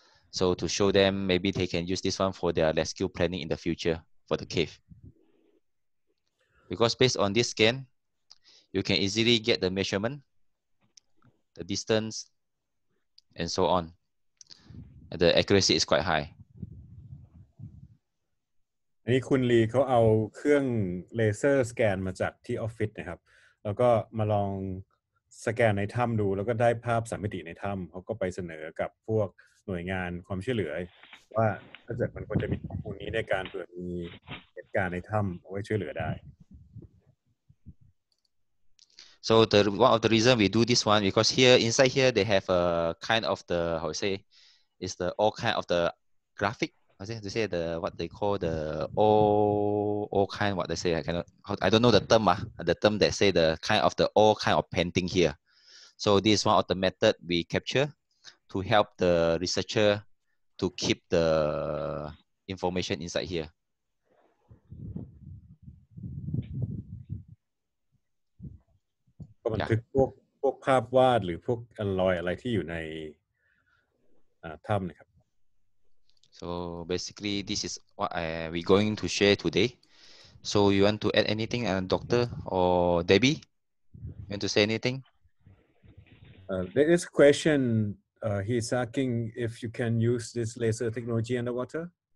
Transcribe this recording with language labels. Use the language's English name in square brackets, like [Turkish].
[English] So to show them, maybe they can use this one for their rescue planning in the future for the cave. Because based on this scan, you can easily get the measurement, the distance, and so on. The accuracy is quite high. [Thai] นี่คุณลีเขาเอาเครื่องเลเซอร์สแกนมาจากที่ออฟฟิศนะครับแล้วก็มาลองสแกนในถ้ำดูแล้วก็ได้ภาพสามมิติในถ้ำเขาก็ไปเสนอกับพวกหน่วยงานความช่วยเหลือว่าถ้าเกิดมันควรจะมีข้อมูลนี้ในการเผื่อมีเหตุการณ์ในถ้ำเอาไว้ช่วยเหลือได้ [English] so the one of the reason we do this one because here inside here they have a kind of the how to say is the all kind of the graphicI say to say the what they call the all kind what they say I don't know the term that say the kind of the all kind of painting here. So this is one of the method we capture to help the researcher to keep the information inside here. [Thai] ก็มันคือพวกภาพวาดหรือพวกอะลอยอะไรที่อยู่ในถ้ำนะครับ [English] So basically, this is what we're going to share today. So you want to add anything, Doctor or Debbie? You want to say anything? There is a question. He's asking if you can use this laser technology underwater.